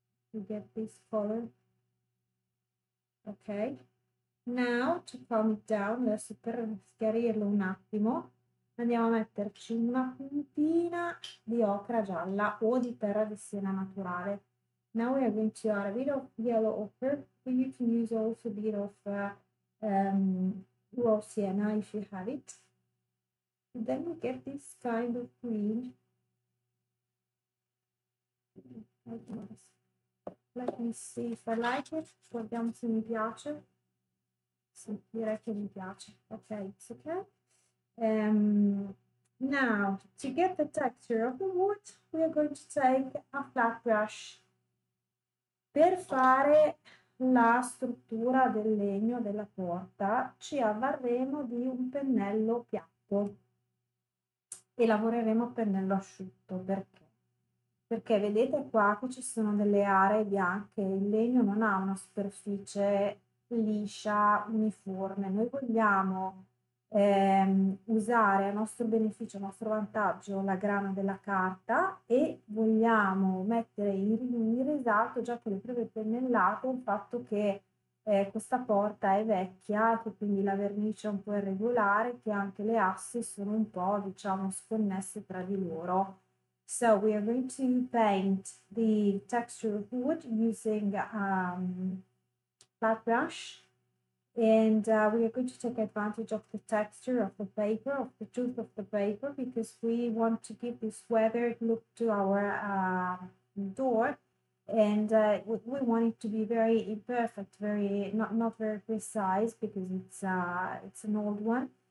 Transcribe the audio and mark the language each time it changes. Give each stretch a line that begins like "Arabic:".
English: You get this color. Ok. Now, to calm it down,
Italian: adesso per schiarirlo un attimo, andiamo a metterci una puntina di ocra gialla o di terra di siena naturale.
English: Now we are going to add a bit of yellow ochre, but you can use also a bit of raw sienna if you have it. And then we get this kind of green. Let me see if I like it.
Italian: Guardiamo se mi piace. Sì, direi che mi piace. Ok,
English: it's okay. Now, to get the texture of the wood, we are going to take a flat brush.
Italian: Per fare la struttura del legno della porta, ci avvarremo di un pennello piatto. E lavoreremo per nello asciutto. Perché? Perché vedete qua che ci sono delle aree bianche, il legno non ha una superficie liscia, uniforme. Noi vogliamo usare a nostro beneficio, a nostro vantaggio, la grana della carta e vogliamo mettere in risalto, già con le prove pennellate, il fatto che questa porta è vecchia, che quindi la vernice è un po' irregolare, che anche le assi sono un po', diciamo, sconnesse tra di loro.
English: So we are going to paint the texture of wood using flat brush, and we are going to take advantage of the texture of the paper, of the tooth of the paper, because we want to give this weathered look to our door, and we want it to be very imperfect, very not very precise, because it's an old one.